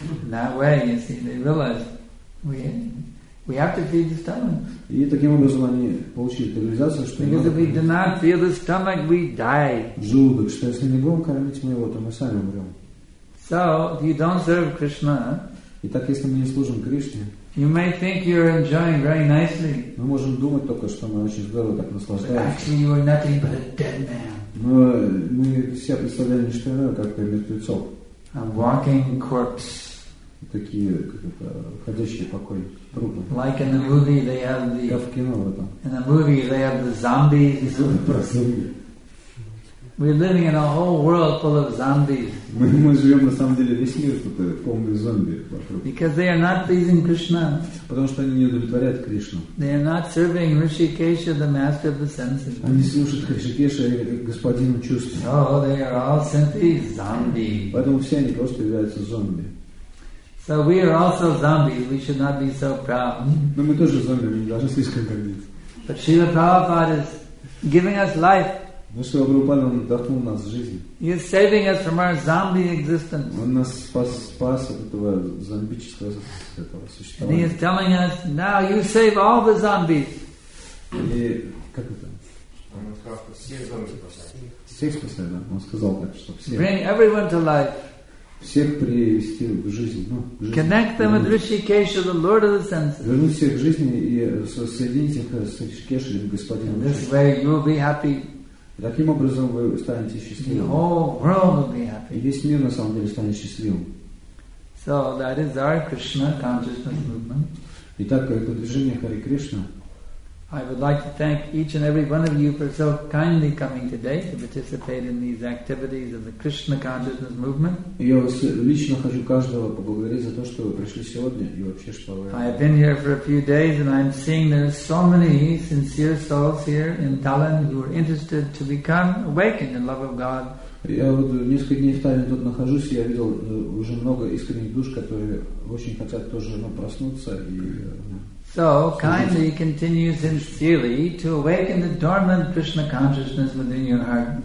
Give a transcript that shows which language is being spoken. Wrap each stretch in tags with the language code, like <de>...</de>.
<en>That way, you see, they realized we have to feed the stomach.</en> <ru>И таким образом они получили организацию, что.</ru> <en>Because if we do not feed the stomach, we die.</en> <ru>Желудок, что если не будем кормить мы его, то мы сами умрем.</ru> <en>So if you don't serve Krishna.</en> <ru>Итак, если мы не служим Кришне.</ru> <en>You may think you're enjoying very nicely.</en> <ru>Мы можем думать только, что мы очень здорово так наслаждаемся.</ru> <en>But actually, you are nothing but a dead man.</en> <ru>Но мы все представляем не что иное, как мертвецов.</ru> <en>A walking corpse.</en> <ru>Такие уходящие покой трупы.</ru> <en>Like in the movie, they have the.</en> <ru>Как в кино в этом.</ru> <en>In the movie, they have the zombies. We're living in a whole world full of zombies.</en> <ru>Мы живем на самом деле весь мир тут полный зомби вокруг.</ru> <en>Because they are not pleasing Krishna.</en> <ru>Потому что они не удовлетворяют Кришну.</ru> <en>They are not serving Hrishikesha, the master of the senses.</en> <ru>Они служат Хришикеше, господину чувств.</ru> <en>Oh, they are all simply zombies.</en> <ru>Поэтому все они просто являются зомби.</ru> <en>So we are also zombies. We should not be so proud.</en> <ru>Но мы тоже зомби, мы не должны слишком гордиться.</ru> <en>But Srila Prabhupada is giving us life.</en> <ru>Ну что, Прабхупада вдохнул нас в жизнь.</ru> <en>He is saving us from our zombie existence.</en> <ru>Он нас спас от этого зомбического существования.</ru> <en>And he is telling us, now you save all the zombies.</en> <ru>И как это? Он сказал, всех зомби спасает. Всех спасает, да? Он сказал так, что всех.</ru> <en>Bring everyone to life.</en> <ru>Всех привести в жизнь. Ну, в жизнь.</ru> <en>Connect them with Hrishikesha, the Lord of the senses.</en> <ru>Вернуть всех к жизни и соединить их с Хришикешей, господином.</ru> <en>This way you will be happy.</en> <ru>Таким образом вы станете счастливым.</ru> <en>The whole world will be happy.</en> <ru>И весь мир на самом деле станет счастливым.</ru> <en>So that is our Krishna consciousness movement.</en> <ru>Итак, это движение Хари Кришна.</ru> <en>I would like to thank each and every one of you for so kindly coming today to participate in these activities of the Krishna consciousness movement.</en> <ru>Я лично хочу каждого поблагодарить за то, что вы пришли сегодня и вообще что вы.</ru> <en>I have been here for a few days and I'm seeing there's so many sincere souls here in Tallinn who are interested to become awakened in love of God.</en> <ru>Я вот несколько дней в Таллине тут нахожусь, я видел уже много искренних душ, которые очень хотят тоже проснуться и.</ru> <en>So kindly continue sincerely to awaken the dormant Krishna consciousness within your heart.</en>